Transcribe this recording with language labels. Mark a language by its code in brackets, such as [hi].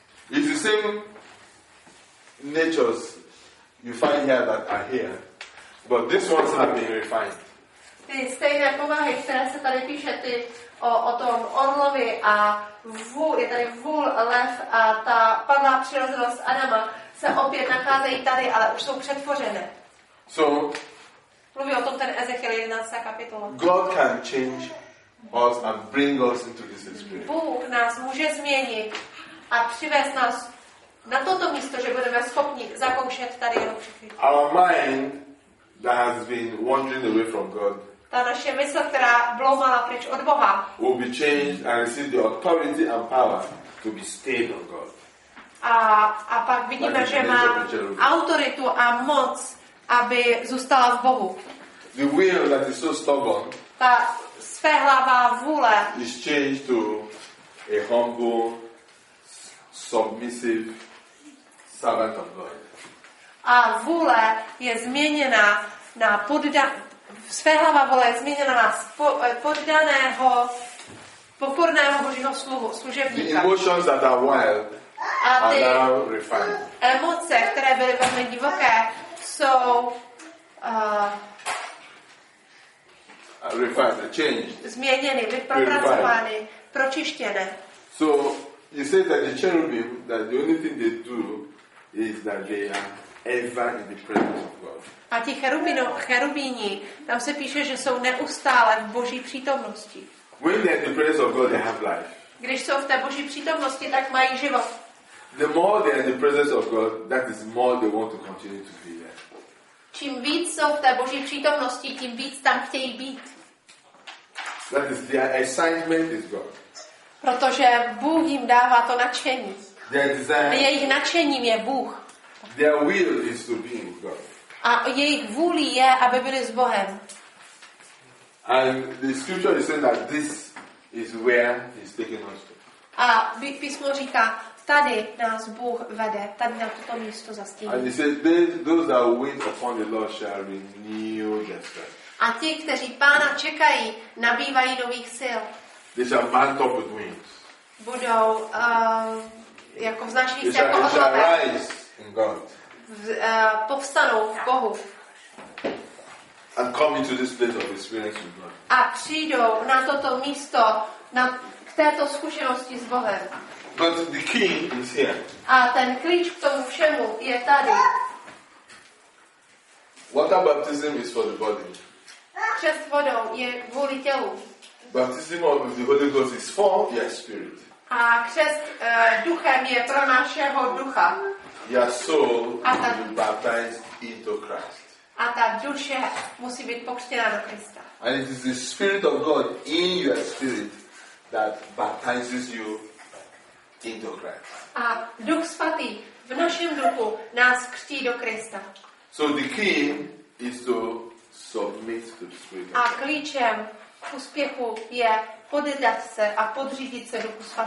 [en] It's the same natures you find here that are here, but these ones have been refined. [cs] Ty stejné povahy, které se tady píše, ty o tom orlovi a vůl, je tady vůl, lev a ta padlá přirozenost Adama, se opět nacházejí tady, ale už jsou přetvořené. [en] So, [cs] mluví o tom ten Ezechiel 11. kapitola. [en] God can change us and bring us into this experience. [cs] Bůh nás může změnit a přivést nás na toto místo, že budeme schopni zakoušet tady jeho přichytí. [en] Our mind that has been wandering away from God. [cs] Ta naše mysl, která bloumala pryč od Boha. [en] Will be changed and receive the authority and power to be stayed on God. [cs] A pak vidíme, že má autoritu a moc, aby zůstala v Bohu. [en] The will that is so stubborn. [cs] Ta svéhlavá vůle. [en] Is changed to a humble, submissive servant of God. [cs] A vůle je změněna na poddaného, svéhlava vůle je změněna na poddaného, pokorného Božího sluhu, služebníka. [en] The emotions that are wild are now refined. [cs] Emoce, které byly velmi divoké, jsou [en] refined, changed. [cs] Změněny, vypropracovány, pročištěné. [en] So, you say that the cherubim, that the only thing they do is that they are ever in the presence of God. [cs] A ti cherubíni, tam se píše, že jsou neustále v Boží přítomnosti. [en] When they are in the presence of God, they have life. [cs] Když jsou v té Boží přítomnosti, tak mají život. [en] The more they are in the presence of God, that is more they want to continue to be there. [cs] Čím víc jsou v té Boží přítomnosti, tím víc tam chtějí být. [en] That is their assignment is God. [cs] Protože Bůh jim dává to nadšení. Jejich nadšením je Bůh. [en] Their will is to be with God. [cs] A jejich vůli je, aby byli s Bohem. [en] And the scripture is saying that this is where he's taking us to. [cs] A písmo říká, tady nás Bůh vede, tady na toto místo zastíní. [en] And he says, those that wait upon the Lord shall renew their strength. [cs] A ti, kteří Pána čekají, nabývají nových sil. [en] They shall mount up with wings. [cs] Budou jako vznášejí se jako orlové. [en] They shall rise in God. [cs] Povstanou v Bohu. [en] And come into this place of experience with God. [cs] A přijdou na toto místo, na k této zkušenosti s Bohem. [en] But the key is here. [cs] A ten klíč k tomu všemu je tady. [en] Water baptism is for the body. [cs] Křest vodou je kvůli tělu. [en] Baptism of the Holy Ghost is for your spirit. [cs] A křest duchem je pro našeho ducha. [en] Your soul will be baptized into Christ. [cs] A ta duše musí být pokřtěna do Krista. [en] And it is the Spirit of God in your spirit that baptizes you into Christ. [cs] A Duch Svatý v našem duchu nás křtí do Krista. [en] So the key is to submit to the Spirit. [cs] A klíčem k úspěchu je poddat se a podřídit se Duchu